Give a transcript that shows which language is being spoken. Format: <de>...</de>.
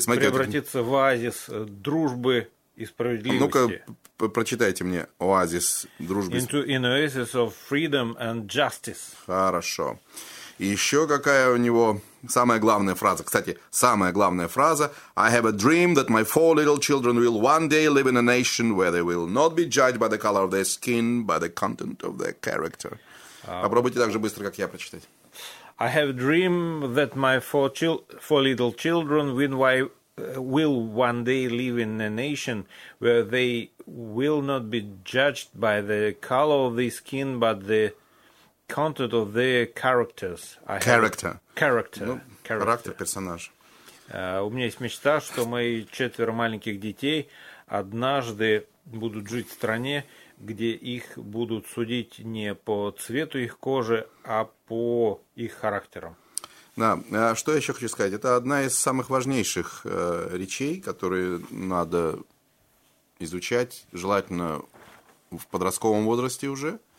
<ru>Смотрите, превратиться в оазис дружбы и справедливости. Ну-ка, прочитайте мне оазис дружбы.</ru> <en>Into an oasis of freedom and justice.</en> <ru>Хорошо. И еще какая у него самая главная фраза. Кстати, самая главная фраза.</ru> <en>I have a dream that my four little children will one day live in a nation where they will not be judged by the color of their skin, by the content of their character.</en> <ru>Попробуйте так же быстро, как я, прочитать.</ru> <en>I have a dream that my four little children will one day live in a nation where they will not be judged by the color of their skin, but the content of their characters.</en> <ru>Character, персонаж. У меня есть мечта, что мои четверо маленьких детей однажды будут жить в стране, где их будут судить не по цвету их кожи, а по их характерам. Да, что я еще хочу сказать? Это одна из самых важнейших речей, которые надо изучать, желательно в подростковом возрасте уже.</ru>